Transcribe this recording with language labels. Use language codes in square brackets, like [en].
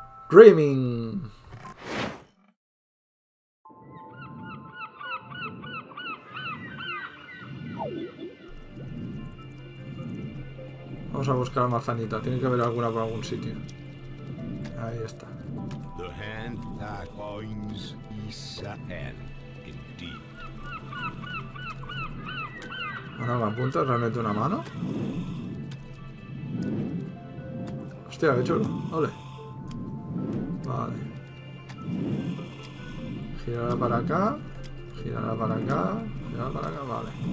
[en] Dreaming. [es] Vamos a buscar la manzanita. Tiene que haber alguna por algún sitio. Ahí está. [en] The hand that binds is a hand, indeed. [es] Ahora me apunta realmente una mano. Hostia, qué chulo. Ole. Vale. Girará para acá. Girará para acá. Girará para acá. Vale.